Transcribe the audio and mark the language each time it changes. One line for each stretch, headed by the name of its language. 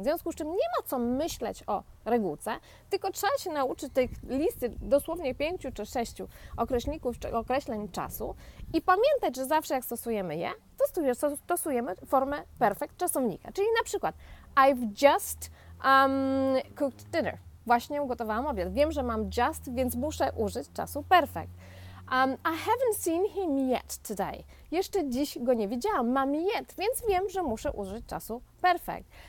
Polish: W związku z czym nie ma co myśleć o regułce, tylko trzeba się nauczyć tej listy dosłownie 5 czy 6 określników czy określeń czasu i pamiętać, że zawsze jak stosujemy je, to stosujemy formę perfect czasownika. Czyli na przykład
English: I've just cooked dinner.
Polish: Właśnie ugotowałam obiad. Wiem, że mam just, więc muszę użyć czasu perfect.
English: I haven't seen him yet today.
Polish: Jeszcze dziś go nie widziałam. Mam yet, więc wiem, że muszę użyć czasu perfect.